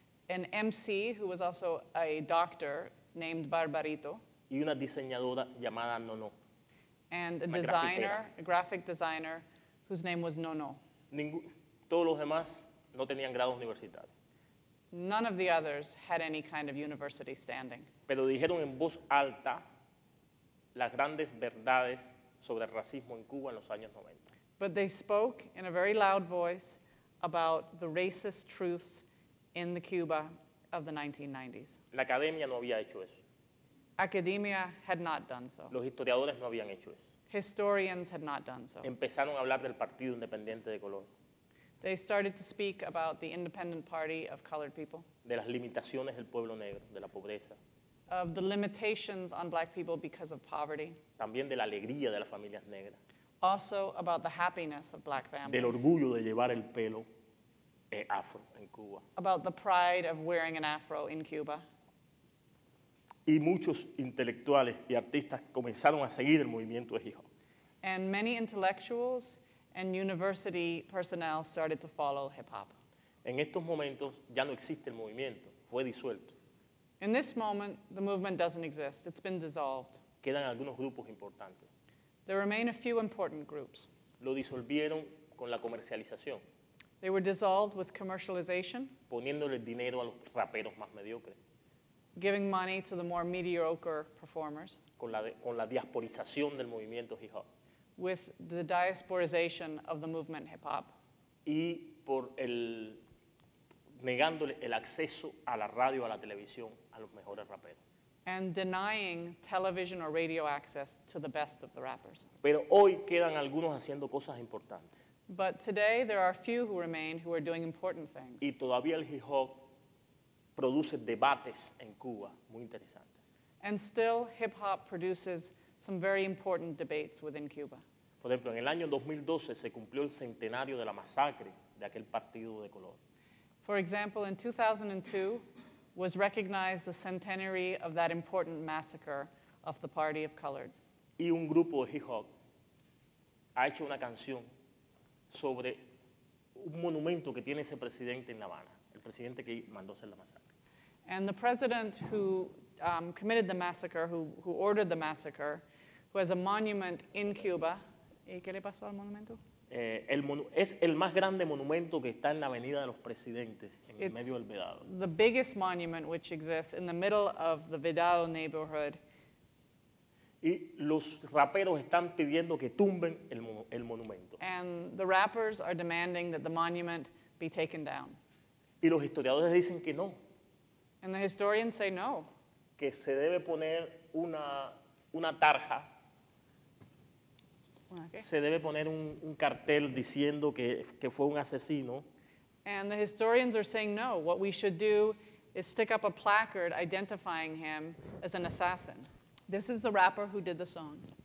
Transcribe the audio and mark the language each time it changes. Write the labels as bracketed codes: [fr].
[en] An MC who was also a doctor named Barbarito. [es] Y una diseñadora llamada Nono. [en] And a designer, a graphic designer, whose name was Nono. [es] Todos los demás no tenían grados universitarios. [en] None of the others had any kind of university standing. [es] Pero dijeron en voz alta las grandes verdades sobre el racismo en Cuba en los años 90. [en] But they spoke in a very loud voice about the racist truths in the Cuba of the 1990s. [es] La academia no había hecho eso. [en] Academia had not done so. [es] Los historiadores no habían hecho eso. [en] Historians had not done so. [es] Empezaron a hablar del Partido Independiente de Color. [en] They started to speak about the Independent Party of Colored People. [es] De las limitaciones del pueblo negro, de la pobreza. [en] Of the limitations on black people because of poverty. [es] También de la alegría de las familias negras. [en] Also about the happiness of black families. [es] Del orgullo de llevar el pelo afro en Cuba. [en] About the pride of wearing an afro in Cuba. [es] Y muchos intelectuales y artistas comenzaron a seguir el movimiento de hip hop. [en] And many intellectuals and university personnel started to follow hip hop. [es] En estos momentos ya no existe el movimiento, fue disuelto. [en] In this moment, the movement doesn't exist, it's been dissolved. [es] Quedan algunos grupos importantes. [en] There remain a few important groups. [es] Lo disolvieron con la comercialización. [en] They were dissolved with commercialization. [es] Poniéndole dinero a los raperos más mediocres. [en] Giving money to the more mediocre performers. [es] Con la diasporización del movimiento hip hop. [en] With the diasporization of the movement hip hop. [es] Y por el negándole el acceso a la radio, a la televisión, a los mejores raperos. [en] And denying television or radio access to the best of the rappers. [es] Pero hoy quedan algunos haciendo cosas importantes. [en] But today there are a few who remain who are doing important things. [es] Y todavía el hip hop produce debates en Cuba, muy interesantes. [en] And still, hip-hop produces some very important debates within Cuba. [es] Por ejemplo, en el año 2012 se cumplió el centenario de la masacre de aquel partido de color. [en] For example, in 2002 was recognized the centenary of that important massacre of the Party of Colored. [es] Y un grupo de hip-hop ha hecho una canción sobre un monumento que tiene ese presidente en La Habana. Presidente que mandó hacer la masacre. [en] And the president who committed the massacre, who ordered the massacre, who has a monument in Cuba. [es] ¿Y qué le pasó al monumento? Es el más grande monumento que está en la Avenida de los Presidentes, en [en] It's [es] el medio del Vedado. [en] The biggest monument which exists in the middle of the Vedado neighborhood. [es] Y los raperos están pidiendo que tumben el monumento. [en] And the rappers are demanding that the monument be taken down. [es] Y los historiadores dicen que no. [en] And the historians say no. [es] Que se debe poner una tarja. [en] Okay. [es] Se debe poner un cartel diciendo que fue un asesino. [en] And the historians are saying no. What we should do is stick up a placard identifying him as an assassin. This is the rapper who did the song.